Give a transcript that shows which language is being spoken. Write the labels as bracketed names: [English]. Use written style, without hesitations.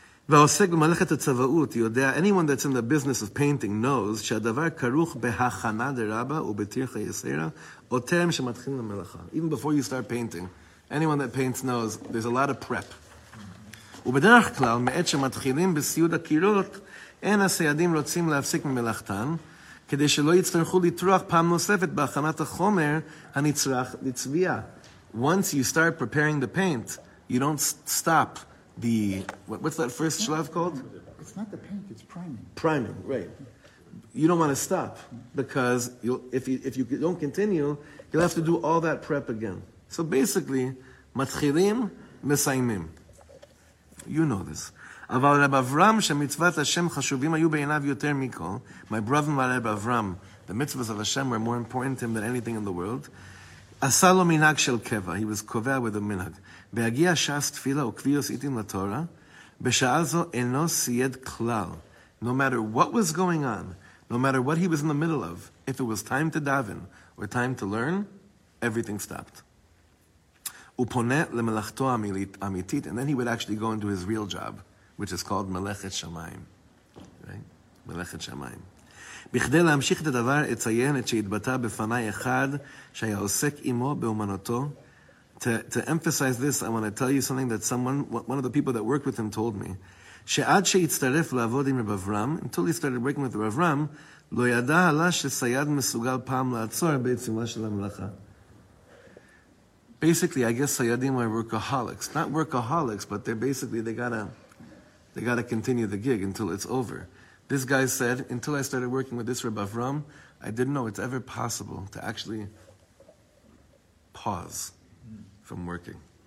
[English] Anyone that's in the business of painting knows even before you start painting, anyone that paints knows there's a lot of prep. [Hebrew] ובדרך כלל, מעט שמתחילים בסיוד הקירות, אין הסיידים רוצים להפסיק ממלאכתם, כדי שלא יצטרכו לתרוח פעם נוספת בהכנת החומר הנצרך לצביעה. [English] Once you start preparing the paint, you don't stop the... What's that first shlav called? It's not the paint, it's priming. Priming, right. You don't want to stop, because if you don't continue, you'll have to do all that prep again. So basically, [Hebrew] מתחילים, מסיימים. [English] You know this. [Hebrew] אבל רב אברהם, שמצוות השם חשובים היו בעיניו יותר מכל, [English] my brother-in-law [Hebrew] רב אברהם, [English] the mitzvahs of Hashem were more important to him than anything in the world, [Hebrew] עשה לו מנהג של קבע, [English] he was קובע with a מנהג, [Hebrew] בהגיע שעה תפילה וקביעות עיתים לתורה, בשעה זו אינו סייד כלל. [English] No matter what was going on, no matter what he was in the middle of, if it was time to daven, or time to learn, everything stopped. [Hebrew] הוא פונה למלאכתו האמיתית, [English] and then he would actually go into his real job, which is called Melechet Shamayim. Right? Melechet Shamayim. [Hebrew] בכדי להמשיך את הדבר, אציין את שהתבטא בפני אחד שהיה עוסק עמו באומנותו. [English] To emphasize this, I want to tell you something that one of the people that worked with him told me. [Hebrew] שעד שהצטרף לעבוד עם רב אברהם, [English] until he started working with רב אברהם, [Hebrew] לא ידע עלה שסייד מסוגל פעם לעצור בעצימה של המלאכה. [English] Basically, I guess סיידים are workaholics. Not workaholics, but they got to continue the gig until it's over. This guy said, until I started working with this Reb Avram, I didn't know it's ever possible to actually pause from working.